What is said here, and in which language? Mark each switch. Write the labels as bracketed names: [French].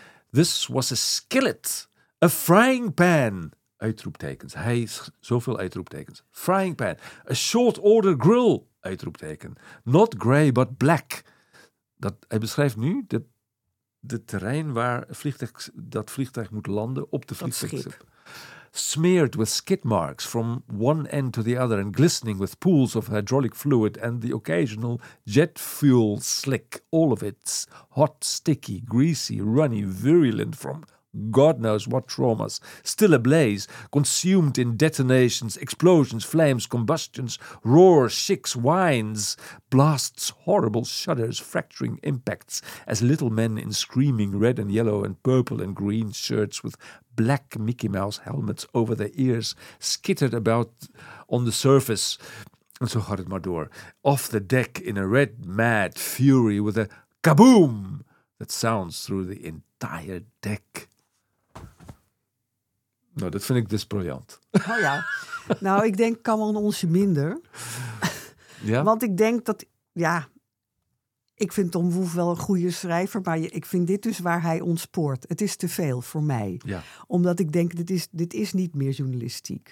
[English] This was a skillet, a frying pan. [Dutch] Uitroeptekens. Hij is zoveel uitroeptekens. [English] Frying pan. A short order grill. [Dutch] Uitroepteken. [English] Not grey, but black. [Dutch] Dat, hij beschrijft nu de terrein waar dat vliegtuig moet landen op de vliegtuig. [English] Smeared with skid marks from one end to the other and glistening with pools of hydraulic fluid and the occasional jet fuel slick. All of it hot, sticky, greasy, runny, virulent from God knows what traumas, still ablaze, consumed in detonations, explosions, flames, combustions, roars, shicks, whines, blasts, horrible shudders, fracturing impacts, as little men in screaming red and yellow and purple and green shirts with black Mickey Mouse helmets over their ears skittered about on the surface, [Dutch] and so gaat het maar door, [English] off the deck in a red mad fury with a kaboom that sounds through the entire deck. [Dutch] Nou, dat vind ik dus briljant. Oh ja. Nou, ik denk kan wel een onsje minder. Ja? Want ik denk dat, ja, ik vind Tom Wolfe wel een goede schrijver, maar ik vind dit dus waar hij ontspoort. Het is te veel voor mij. Ja. Omdat ik denk, dit is niet meer journalistiek.